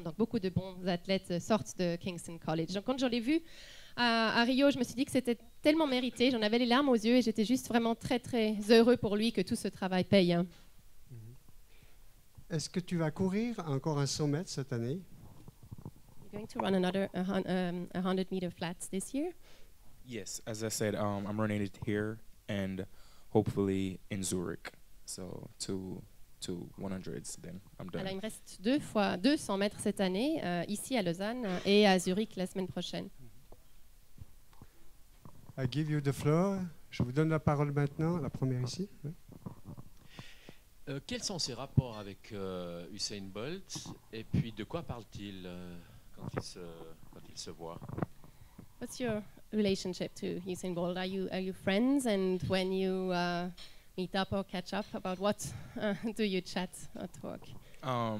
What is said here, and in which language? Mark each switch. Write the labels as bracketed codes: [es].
[fr] Donc beaucoup de bons athlètes sortent de Kingston College. Donc quand je l'ai vu à Rio, je me suis dit que c'était tellement mérité. J'en avais les larmes aux yeux et j'étais juste vraiment très, très heureux pour lui que tout ce travail paye. Est-ce que tu vas courir encore un 100 mètres cette année? [en] You're going to run another 100 meter flats this year? Yes, as I said, I'm running it here and hopefully in Zurich. So two 100s, then I'm done. [fr] Alors, il me reste deux fois 200 mètres cette année, ici à Lausanne et à Zurich la semaine prochaine. [en] I give you the floor. [fr] Je vous donne la parole maintenant, la première ici. Quels sont ses rapports avec Usain Bolt, et puis de quoi parle-t-il quand il se voit? [en] What's your relationship to Usain Bolt? Are you friends? And when you meet up or catch up, about what do you chat or talk?